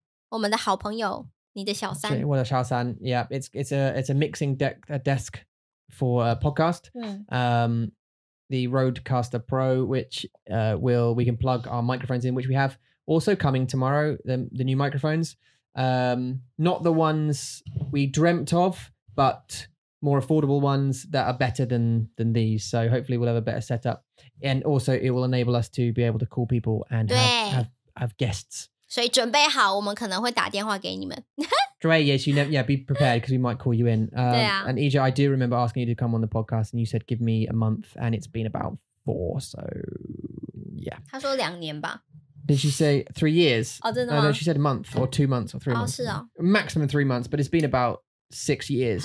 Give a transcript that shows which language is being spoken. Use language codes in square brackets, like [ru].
[zh] 我们的好朋友, 你的小三。 Okay, 我的小三, yeah. [en] It's a mixing deck, a desk for a podcast. The Rodecaster Pro, which we can plug our microphones in, which we have also coming tomorrow, the new microphones. Not the ones we dreamt of, but more affordable ones that are better than these. So hopefully we'll have a better setup. And also it will enable us to be able to call people and have guests. [zh] 所以准备好我们可能会打电话给你们。 [en] Dre, yes, you know, yeah, be prepared because we might call you in. And EJ, I do remember asking you to come on the podcast and you said give me a month and it's been about four, so yeah. [zh] 他说两年吧。 [en] Did she say 3 years? Oh, no, she said a month or 2 months or 3 months. [zh] 是啊。 [en] Maximum 3 months, but it's been about 6 years.